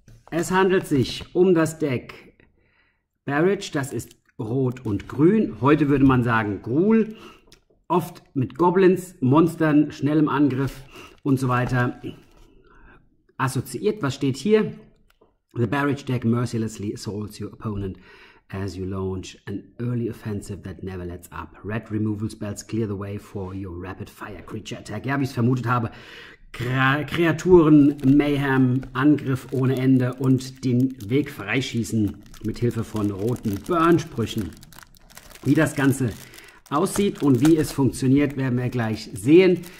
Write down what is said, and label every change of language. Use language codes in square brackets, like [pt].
[de] Es handelt sich um das Deck Barrage, das ist rot und grün. Heute würde man sagen Ghoul. Oft mit Goblins, Monstern, schnellem Angriff und so weiter assoziiert. Was steht hier? [en] The Barrage Deck mercilessly assaults your opponent as you launch an early offensive that never lets up. Red Removal Spells clear the way for your Rapid Fire Creature Attack. [de] Ja, wie ich es vermutet habe, Kreaturen, Mayhem, Angriff ohne Ende und den Weg freischießen mit Hilfe von roten Burn-Sprüchen. Wie das Ganze aussieht und wie es funktioniert, werden wir gleich sehen.